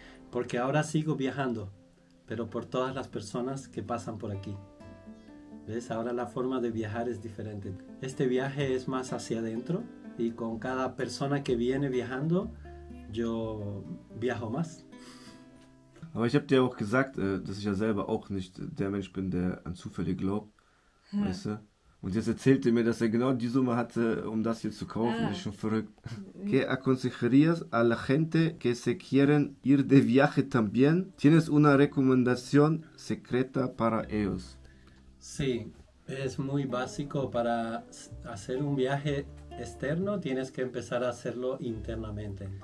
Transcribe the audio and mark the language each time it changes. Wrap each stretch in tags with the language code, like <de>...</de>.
<es>Porque ahora sigo viajando, pero por todas las personas que pasan por aquí. ¿Ves? Ahora la forma de viajar es diferente. Este viaje es más hacia adentro y con cada persona que viene viajando, yo viajo más.</es> <de>Aber ich habe dir auch gesagt, dass ich ja selber auch nicht der Mensch bin, der an Zufälle glaubt, ja. Weißt du? Und jetzt erzählt er mir, dass er genau die Summe hatte, um das hier zu kaufen. Ja. Das ist schon verrückt.</de> <es>¿Qué aconsejarías a la gente que se quieren ir de viaje también? ¿Tienes una recomendación secreta para ellos? Sí, es muy básico. Para hacer un viaje externo, tienes que empezar a hacerlo internamente.</es>